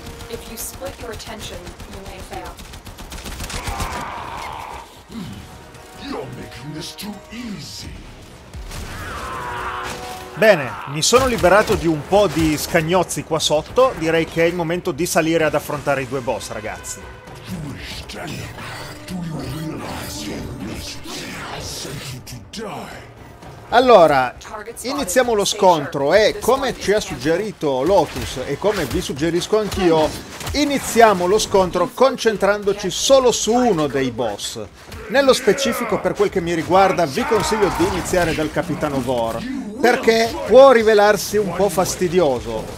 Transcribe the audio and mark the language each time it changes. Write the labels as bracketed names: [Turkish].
[English] If you split your attention, you may fail. You're making this too easy. [Italian] Bene, mi sono liberato di un po' di scagnozzi qua sotto. Direi che è il momento di salire ad affrontare i due boss, ragazzi. [English] You wish, Daniel. Do you realize your mission? I'll send you to die. [Italian] Allora, iniziamo lo scontro e, come ci ha suggerito Lotus e come vi suggerisco anch'io, iniziamo lo scontro concentrandoci solo su uno dei boss. Nello specifico, per quel che mi riguarda, vi consiglio di iniziare dal Capitano Vor, perché può rivelarsi un po' fastidioso.